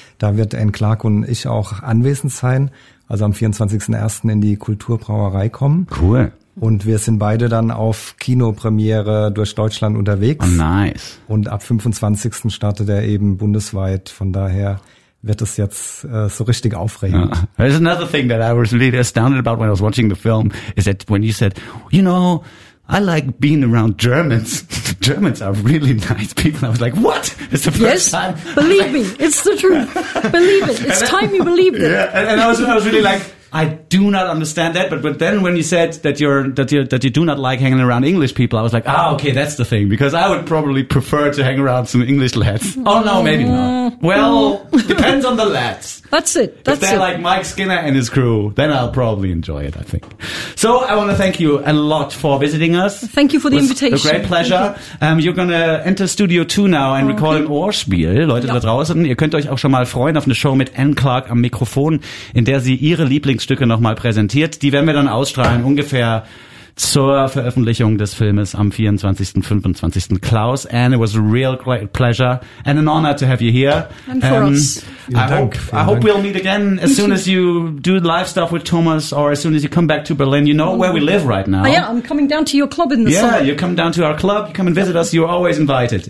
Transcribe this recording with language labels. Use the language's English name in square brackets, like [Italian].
[German] Da wird Anne Clark und ich auch anwesend sein. Also am 24.01. in die Kulturbrauerei kommen. [English] Cool. [German] Und wir sind beide dann auf Kinopremiere durch Deutschland unterwegs. [English] Oh, nice. [German] Und ab 25. startet er eben bundesweit. Von daher wird das jetzt so richtig aufregend. [English] There's another thing that I was really astounded about when I was watching the film, is that when you said, you know, I like being around Germans. The Germans are really nice people. I was like, what? It's the first time. Believe me, it's the truth. Believe it. It's time you believe it. Yeah, and I was really like, I do not understand that, but then when you said that you do not like hanging around English people, I was like, okay, that's the thing, because I would probably prefer to hang around some English lads. Oh no, maybe not. Well, depends on the lads. That's it. That's if they're it. Like Mike Skinner and his crew, then I'll probably enjoy it, I think. So I want to thank you a lot for visiting us. Thank you for the invitation. A great pleasure. You're going to enter Studio 2 now and record an Ohrspiel. [German] Leute da draußen, ihr könnt euch auch schon mal freuen auf eine Show mit Anne Clark am Mikrofon, in der sie ihre Lieblingsstücke nochmal präsentiert. Die werden wir dann ausstrahlen, ungefähr zur Veröffentlichung des Filmes am 24. 25. [English] Klaus, Anne, it was a real great pleasure and an honor to have you here. And for us. I hope we'll meet again as soon as you do live stuff with Thomas or as soon as you come back to Berlin. You know where we live right now. Yeah, I'm coming down to your club in the summer. Yeah, you come down to our club, you come and visit us, you're always invited.